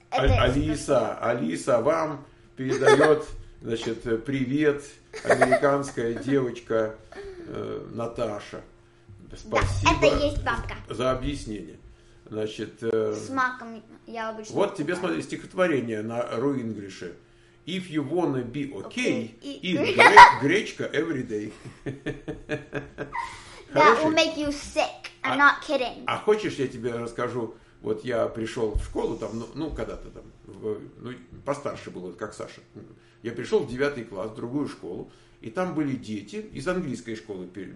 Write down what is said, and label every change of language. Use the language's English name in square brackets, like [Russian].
[Russian] Алиса вам передает, значит, привет, американская девочка Наташа. Спасибо, да, это есть бабка. За объяснение. Значит, с маком я обычно. Вот тебе, смотри, стихотворение на руинглише. [English] If you wanna be okay, okay. Eat гречка every day. That хороший? Will make you sick. I'm not kidding. [Russian] А хочешь, я тебе расскажу? Вот я пришел в школу, там, ну когда-то там, ну, постарше был, как Саша. Я пришел в 9 класс, в другую школу, и там были дети из английской школы.